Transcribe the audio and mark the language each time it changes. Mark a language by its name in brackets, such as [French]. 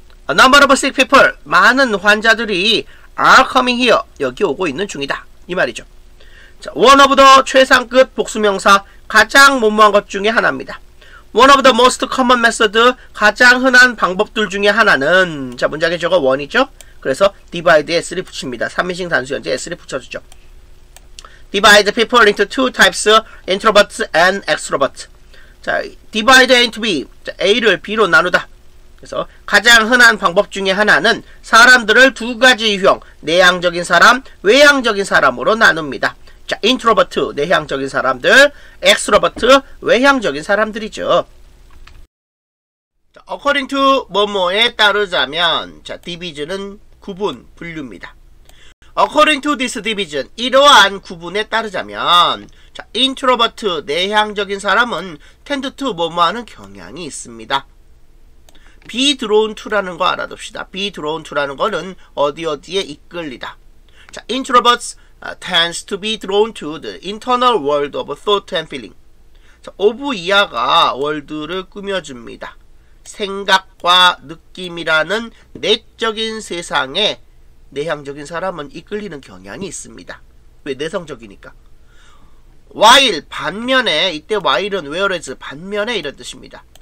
[English] A number of sick people, [Korean] 많은 환자들이 [English] are coming here, [Korean] 여기 오고 있는 중이다. 이 말이죠. 자, [English] one of the [Korean] 최상급 복수명사, 가장 무모한 것 중에 하나입니다. [English] One of the most common methods, [Korean] 가장 흔한 방법들 중에 하나는, 자, 문장의 주어가 one이죠? 그래서 divide에 s를 붙입니다. 3인칭 단수형제 s를 붙여주죠. [English] Divide people into two types, introverts and extroverts. [Korean] 자, [English] divide into b, [Korean] a를 b로 나누다. 그래서 가장 흔한 방법 중에 하나는 사람들을 두 가지 유형, 내향적인 사람, 외향적인 사람으로 나눕니다. 자, 인트로버트, 내향적인 사람들, 엑스트로버트, 외향적인 사람들이죠. [English] According to [Korean] 뭐뭐에 따르자면, 자, division은 구분, 분류입니다. [English] According to this division, [Korean] 이러한 구분에 따르자면, 자, 인트로버트, 내향적인 사람은 [English] tend to [Korean] 뭐뭐하는 경향이 있습니다. [English] be drawn to [Korean] 라는 거 알아둡시다. be drawn to라는 거는 어디 어디에 이끌리다. [English] 자, introverts tends to be drawn to the internal world of thought and feeling. [Korean] 자, of 이하가 월드를 꾸며줍니다. 생각과 느낌이라는 내적인 세상에 내향적인 사람은 이끌리는 경향이 있습니다. 왜? 내성적이니까. [English] while [Korean] 반면에, 이때 while은 whereas 반면에 이런 뜻입니다.